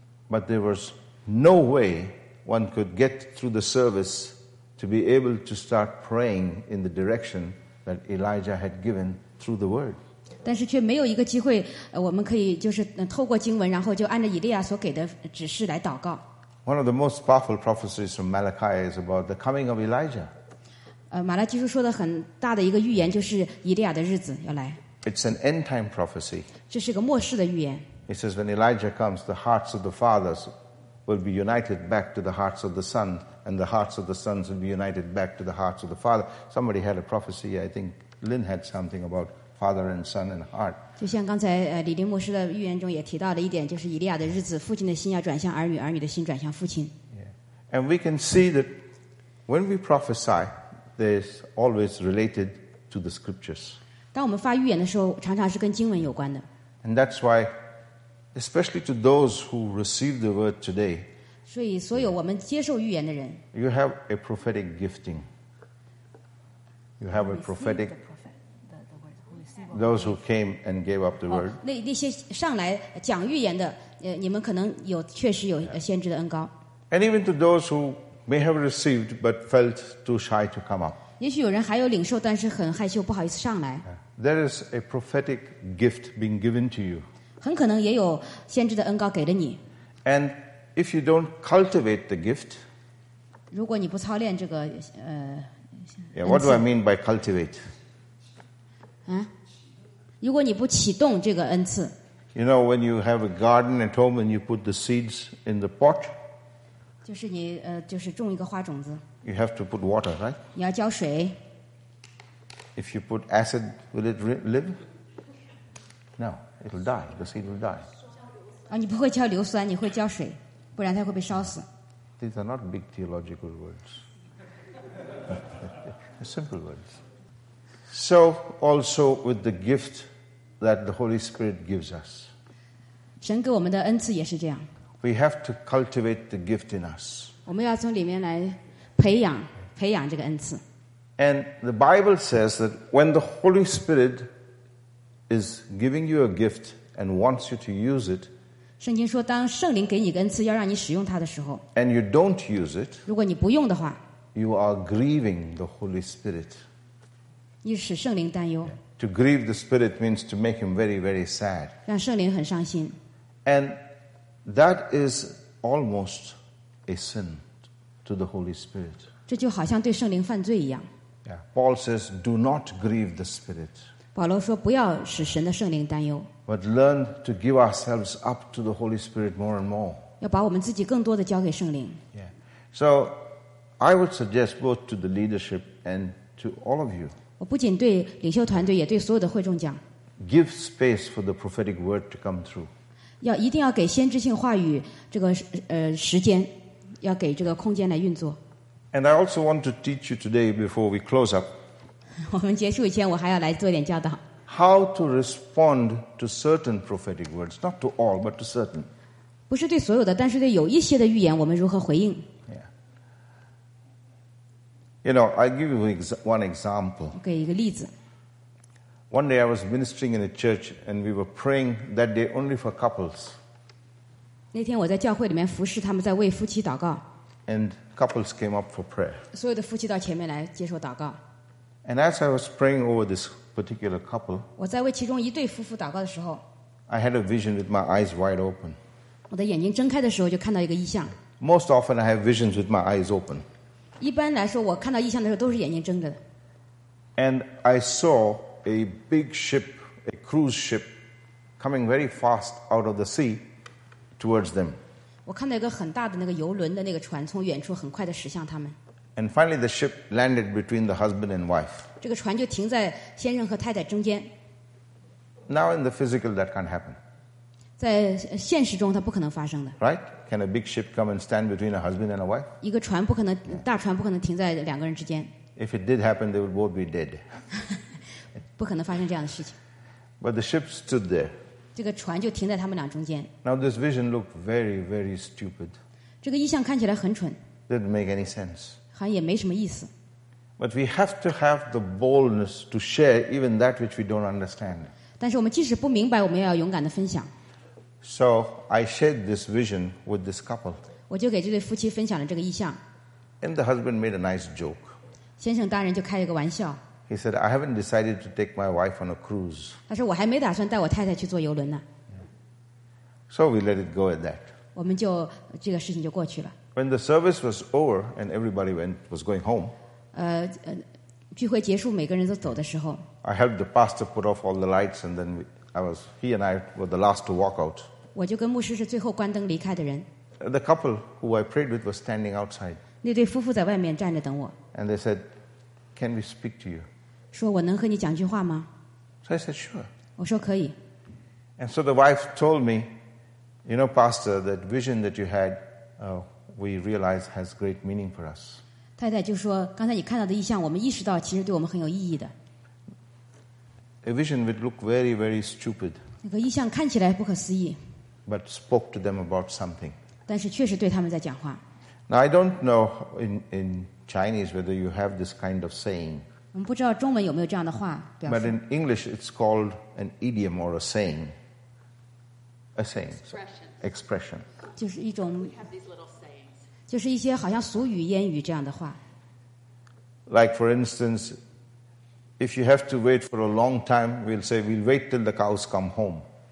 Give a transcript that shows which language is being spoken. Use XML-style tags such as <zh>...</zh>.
<en>But there was no way one could get through the service to be able to start praying in the direction that Elijah had given through the word.</en> <zh>但是却没有一个机会我们可以就是透过经文然后就按照以利亚所给的指示来祷告。</zh> <en>One of the most powerful prophecies from Malachi is about the coming of Elijah.</en> <zh>马拉基书说的很大的一个预言就是以利亚的日子要来。</zh> <en>It's an end time prophecy.</en> <zh>这是个末世的预言。</zh> <en>It says when Elijah comes, the hearts of the fathers will be united back to the hearts of the son, and the hearts of the sons will be united back to the hearts of the father. Somebody had a prophecy, I think Lynn had something about father and son and heart.</en> <zh>就像刚才李林牧师的预言中也提到的一点，就是以利亚的日子，父亲的心要转向儿女，儿女的心转向父亲。</zh> <en>Yeah. And we can see that when we prophesy, there's always related to the scriptures.</en> <zh>当我们发预言的时候，常常是跟经文有关的。</zh> <en>And that's why, especially to those who receive the word today,</en> <zh>所以所有我们接受预言的人</zh> <en>you have a prophetic gifting. You have a prophetic. Those who came and gave up the word.</en> <zh>那些上来讲预言的，你们可能有确实有先知的恩膏。</zh> <en>And even to those who may have received but felt too shy to come up.</en> <zh>也许有人还有领受，但是很害羞，不好意思上来。</zh> <en>There is a prophetic gift being given to you.</en> <zh>很可能也有先知的恩膏给了你。</zh> <en>And if you don't cultivate the gift,</en> <zh>如果你不操练这个</zh> <en>Yeah, what do I mean by cultivate?</en> <zh>如果你不启动这个恩赐</zh> <en>，You know when you have a garden at home and you put the seeds in the pot，</en> <zh>就是你就是种一个花种子。</zh> <en>You have to put water, right？</en> <zh>你要浇水。</zh> <en>If you put acid, will it live？ No, it'll die. The seed will die.</en> <zh>你不会浇硫酸，你会浇水，不然它会被烧死。</zh> <en>These are not big theological words. Simple words. So also with the gift that the Holy Spirit gives us.</en> <zh>神给我们的恩赐也是这样。</zh> <en>We have to cultivate the gift in us.</en> <zh>我们要从里面来培养这个恩赐。</zh> <en>And the Bible says that when the Holy Spirit is giving you a gift and wants you to use it,</en> <zh>圣经说当圣灵给你恩赐要让你使用它的时候</zh> <en>and you don't use it,</en> <zh>如果你不用的话</zh> <en>you are grieving the Holy Spirit.</en> <zh>你使圣灵担忧。</zh> <en>To grieve the Spirit means to make him very, very sad.</en> <zh>让圣灵很伤心。</zh> <en>And that is almost a sin to the Holy Spirit.</en> <zh>这就好像对圣灵犯罪一样。</zh> <en>Yeah. Paul says, do not grieve the Spirit.</en> <zh>保罗说不要使神的圣灵担忧。</zh> <en>But learn to give ourselves up to the Holy Spirit more and more.</en> <zh>要把我们自己更多的交给圣灵。</zh> <en>Yeah. So I would suggest both to the leadership and to all of you,</en> <zh>我不仅对领袖团队，也对所有的会众讲。</zh> <en>Give space for the prophetic word to come through.</en> <zh>要一定要给先知性话语这个时间，要给这个空间来运作。</zh> <en>And I also want to teach you today before we close up.</en> <zh>我们结束以前，我还要来做点教导。</zh> <en>How to respond to certain prophetic words, not to all, but to certain.</en> <zh>不是对所有的，但是对有一些的预言，我们如何回应？</zh> <en>You know, I'll give you one example.</en> <zh>我给一个例子。</zh> <en>One day I was ministering in a church and we were praying that day only for couples.</en> <zh>那天我在教会里面服侍，他们在为夫妻祷告。</zh> <en>And couples came up for prayer.</en> <zh>所有的夫妻到前面来接受祷告。</zh> <en>And as I was praying over this particular couple,</en> <zh>我在为其中一对夫妇祷告的时候，</zh> <en>I had a vision with my eyes wide open.</en> <zh>我的眼睛睁开的时候就看到一个异象。</zh> <en>Most often I have visions with my eyes open.</en> <zh>一般来说，我看到异象的时候都是眼睛睁着的。</zh> <en>And I saw a big ship, a cruise ship, coming very fast out of the sea towards them.</en> <zh>我看到一个很大的那个游轮的那个船从远处很快的驶向他们。</zh> <en>And finally, the ship landed between the husband and wife.</en> <zh>这个船就停在先生和太太中间。</zh> <en>Now in the physical, that can't happen.</en> <zh>在现实中，它不可能发生的。</zh> <en>Right? Can a big ship come and stand between a husband and a wife?</en> <zh>一个船不可能，大船不可能停在两个人之间。</zh> <en>If it did happen, they would both be dead.</en> <zh>不可能发生这样的事情。</zh> <en>But the ship stood there.</en> <zh>这个船就停在他们俩中间。</zh> <en>Now this vision looked very, very stupid.</en> <zh>这个意象看起来很蠢。</zh> <en>Didn't make any sense.</en> <zh>好像也没什么意思。</zh> <en>But we have to have the boldness to share even that which we don't understand.</en> <zh>但是我们即使不明白，我们也要勇敢地分享。</zh> <en>So I shared this vision with this couple.</en> <zh>我就给这对夫妻分享了这个意象。</zh> <en>And the husband made a nice joke.</en> <zh>先生大人就开一个玩笑。</zh> <en>He said, "I haven't decided to take my wife on a cruise."</en> <zh>他说我还没打算带我太太去坐游轮呢。</zh> <en>So we let it go at that.</en> <zh>我们就这个事情就过去了。</zh> <en>When the service was over and everybody was going home.</en> <zh>聚会结束，每个人都走的时候。</zh> <en>I helped the pastor put off all the lights, and then he and I were the last to walk out.</en> <zh>我就跟牧师是最后关灯离开的人。</zh> <en>The couple who I prayed with was standing outside.</en> <zh>那对夫妇在外面站着等我。</zh> <en>And they said, "Can we speak to you?"</en> <zh>说我能和你讲句话吗</zh> <en>？So I said, "Sure."</en> <zh>我说可以。</zh> <en>And so the wife told me, "You know, Pastor, that vision that you had, we realize has great meaning for us."</en> <zh>太太就说，刚才你看到的意象，我们意识到其实对我们很有意义的。</zh> <en>A vision would look very, very stupid.</en> <zh>那个意象看起来不可思议。</zh> <en>But spoke to them about something.</en> <zh>但是确实对他们在讲话。</zh> <en>Now I don't know in Chinese whether you have this kind of saying.</en> <zh>我们不知道中文有没有这样的话。</zh> <en>But in English, it's called an idiom or a saying. A saying. Expression.</en> <zh>就是一种。</zh> <en>We have these little sayings.</en> <zh>就是一些好像俗语、谚语这样的话。</zh> <en>Like for instance. If you have to wait for a long time, we'll say, we'll wait till the cows come home.</en>